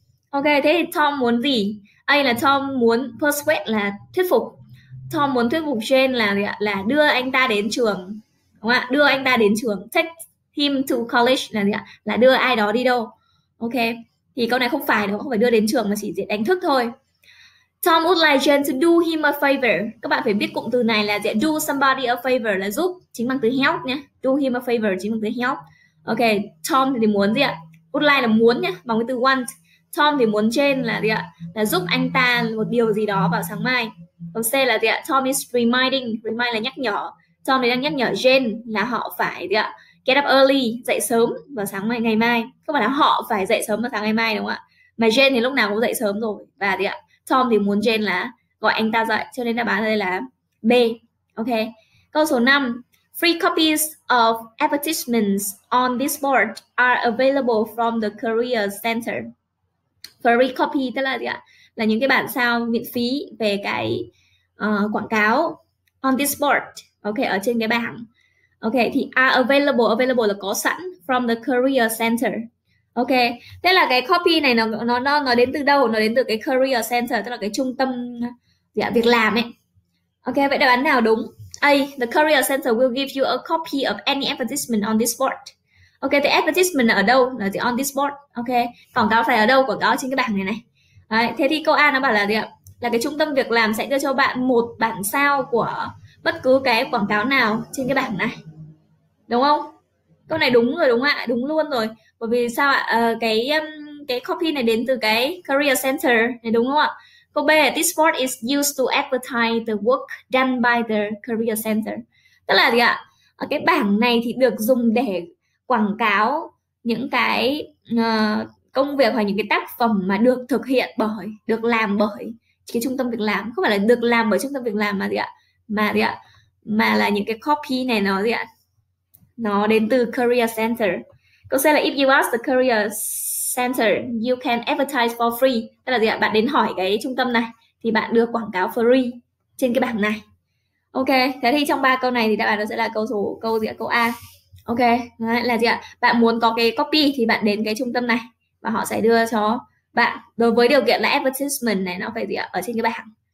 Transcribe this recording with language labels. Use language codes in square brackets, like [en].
[vi] Ok, thế thì Tom muốn gì? A là Tom muốn persuade, là thuyết phục. Tom muốn thuyết phục Jane là gì ạ, là đưa anh ta đến trường, đúng không ạ? Đưa anh ta đến trường, [en] take him to college [vi] là gì ạ? Là đưa ai đó đi đâu. Ok, thì câu này không phải đâu, không phải đưa đến trường mà chỉ đánh thức thôi. [en] Tom would like Jane to do him a favor. [vi] Các bạn phải biết cụm từ này là gì ạ? [en] Do somebody a favor [vi] là giúp, chính bằng từ help nhé. [en] Do him a favor [vi] chính bằng từ help. Ok, Tom thì muốn gì ạ? [en] Would like [vi] là muốn nhé, bằng cái từ want. Tom thì muốn Jane là gì ạ? Là giúp anh ta một điều gì đó vào sáng mai. Câu C là gì ạ? [en] Tom is reminding, [vi] remind là nhắc nhở. Tom thì đang nhắc nhở Jane là họ phải gì ạ? [en] Get up early, [vi] dậy sớm vào sáng mai, ngày mai. Không phải là họ phải dậy sớm vào sáng ngày mai, đúng không ạ? Mà Jane thì lúc nào cũng dậy sớm rồi. Và gì ạ? Tom thì muốn Jane là gọi anh ta dậy, cho nên đáp án đây là B. Ok. Câu số 5. [en] Free copies of advertisements on this board are available from the Career Center. Free copy [vi] tức là gì ạ? Là những cái bản sao miễn phí về cái quảng cáo [en] on this board. [vi] Ok, ở trên cái bảng. [en] Ok, thì are available, available [vi] là có sẵn, [en] from the Career Center. [vi] Ok, thế là cái copy này nó đến từ đâu? Nó đến từ cái Career Center, tức là cái trung tâm dạ, việc làm ấy. Ok, vậy đáp án nào đúng? [en] A, the Career Center will give you a copy of any advertisement on this board. [vi] Ok, thì advertisement ở đâu? Là gì? [en] On this board. [vi] Ok, quảng cáo phải ở đâu? Quảng cáo trên cái bảng này này. Đấy, thế thì câu A nó bảo là gì ạ? Là cái trung tâm việc làm sẽ đưa cho bạn một bản sao của bất cứ cái quảng cáo nào trên cái bảng này. Đúng không? Câu này đúng rồi, đúng ạ? Đúng luôn rồi. Bởi vì sao ạ? Cái copy này đến từ cái Career Center này, đúng không ạ? [en] Câu B, this board is used to advertise the work done by the Career Center. [vi] Tức là gì ạ? Cái bảng này thì được dùng để quảng cáo những cái công việc hoặc những cái tác phẩm mà được thực hiện bởi, được làm bởi cái trung tâm việc làm. Không phải là được làm bởi trung tâm việc làm mà gì ạ? Mà gì ạ? Mà là những cái copy này nó gì ạ? Nó đến từ Career Center. [en] Câu C là if you ask the Career Center, you can advertise for free. [vi] Tức là gì ạ? Bạn đến hỏi cái trung tâm này thì bạn được quảng cáo free trên cái bảng này. Ok, thế thì trong ba câu này thì đáp án nó sẽ là câu gì ạ? Câu A. Ok, là gì ạ? Bạn muốn có cái copy thì bạn đến cái trung tâm này và họ sẽ đưa cho bạn, đối với điều kiện là advertisement này nó phải gì ạ? Ở trên cái bảng.